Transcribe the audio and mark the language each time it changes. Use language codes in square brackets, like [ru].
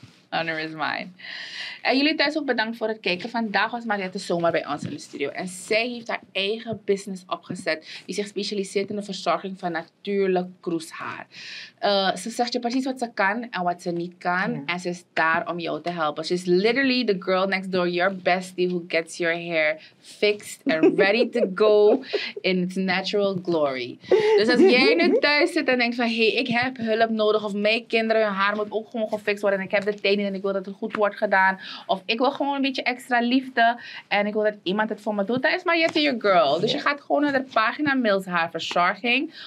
[en] Honor is mine. [nl] En jullie thuis ook bedankt voor het kijken. Vandaag was Mariette zomaar bij ons in de studio. En zij heeft haar eigen business opgezet. Die zich specialiseert in de verzorging van natuurlijk kroeshaar. Ze zegt je precies wat ze kan en wat ze niet kan. Ja. En ze is daar om jou te helpen. [en] She's literally the girl next door. Your bestie who gets your hair fixed and ready to go in its natural glory. [nl] Dus als jij nu thuis zit en denkt van, hey, ik heb hulp nodig. Of mijn kinderen, hun haar moet ook gewoon gefixt worden. En ik heb de tijd niet en ik wil dat het goed wordt gedaan. Of ik wil gewoon een beetje extra liefde. En ik wil dat iemand het voor me doet. Dat is Mariette your girl. Dus je gaat gewoon naar de pagina Mails Haar Verzorging.